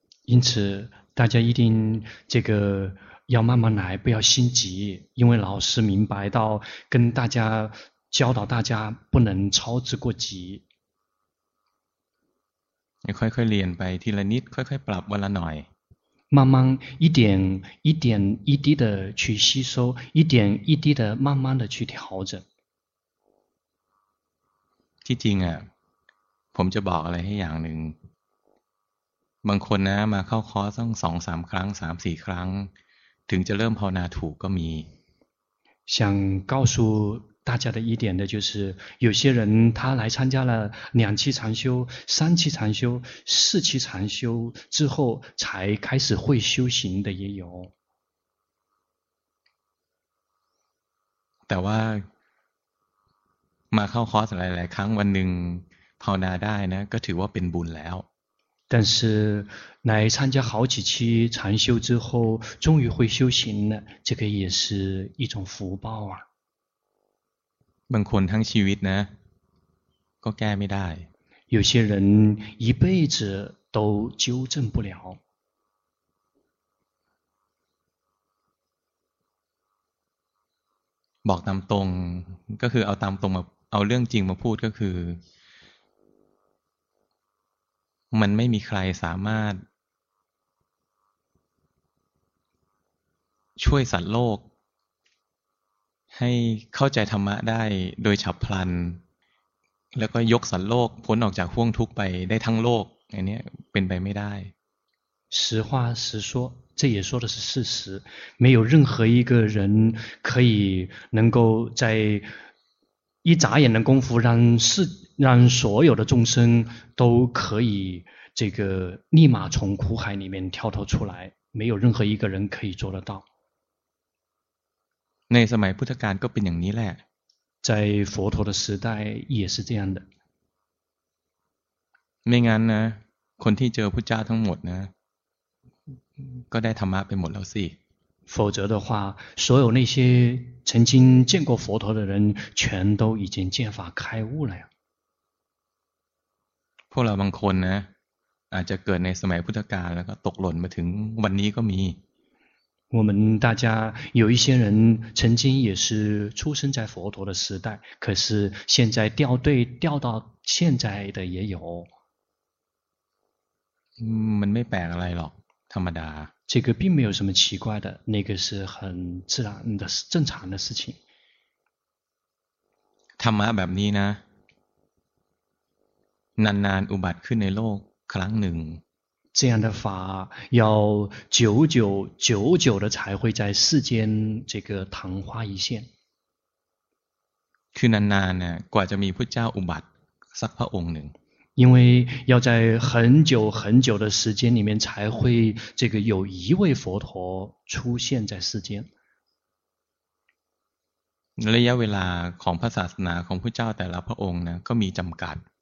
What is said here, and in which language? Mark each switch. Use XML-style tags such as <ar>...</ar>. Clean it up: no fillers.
<zh>因此大家一定这个要慢慢来不要心急因为老师明白到跟大家教导大家不能操之过急</zh> <th>ค่อยๆเรียนไปทีละนิดค่อยๆปรับวันละหน่อย</th> <zh>慢慢一点一点一滴的去吸收一点一滴的慢慢的去调整</zh> <th>ที่จริงอ่ะผมจะบอกอะไรให้อย่างหนึ่งบางคนนะมาเข้าคอร์สต้องสองสามครั้งสามสี่ครั้งถึงจะเริ่มภาวนาถูกก็มี</th> <zh>想告诉大家的一点的就是有些人他来参加了两期禅修三期禅修四期禅修之后才开始会修行的也有</zh> <th>แต่ว่ามาเข้าคอร์สหลายๆครั้งวันหนึ่งภาวนาได้นะก็ถือว่าเป็นบุญแล้ว</th> <zh>但是来参加好几期禅修之后终于会修行了这个也是一种福报啊</zh> <th>บางคนทั้งชีวิตนะก็แก้ไม่ได้</th> <zh>有些人一辈子都纠正不了</zh> <th>บอกตามตรงก็คือเอาตามตรงมาเอาเรื่องจริงมาพูดก็คือมันไม่มีใครสามารถช่วยสัตว์โลกให้เข้าใจธรรมะได้โดยฉับพลันแล้วก็ยกสัตว์โลกพ้นออกจากห้วงทุกข์ไปได้ทั้งโลกอันนี้เป็นไปไม่ได้</th> <zh>实话实说这也说的是事实没有任何一个人可以能够在一眨眼的功夫让所有的众生都可以这个立马从苦海里面跳脱出来没有任何一个人可以做得到</zh> <th>ในสมัยพุทธกาลก็เป็นอย่างนี้แหละ</th> <zh>在佛陀的时代也是这样的</zh> <th>ไม่งั้นนะคนที่เจอพุทธเจ้าทั้งหมดนะก็ได้ธรรมะไปหมดแล้วสิ</th> <zh>否则的话所有那些曾经见过佛陀的人全都已经见法开悟了呀</zh> <th>พวกเราบางคนนะอาจจะเกิดในสมัยพุทธกาลแล้วก็ตกหล่นมาถึงวันนี้ก็มี</th> <zh>我们大家有一些人曾经也是出生在佛陀的时代可是现在掉队掉到现在的也有</zh> <th>มันไม่แปลกอะไรหรอกธรรมดา</th> <zh>这个并没有什么奇怪的那个是很自然的正常的事情</zh> <th>ธรรมะแบบนี้นะนานๆอุบัติขึ้นในโลกครั้งหนึ่ง</th> <zh>这样的法要久久久久的才会在世间这个昙花一现</zh> <th>คือนานๆเนี่ยกว่าจะมีพุทธเจ้าอุบัติสักพระองค์หนึ่ง</th> <zh>因为要在很久很久的时间里面才会这个有一位佛陀出现在世间</zh> <th>ระยะเวลาของพระศาสนาของพระเจ้าแต่ละพระองค์นะก็มีจำกัด</th>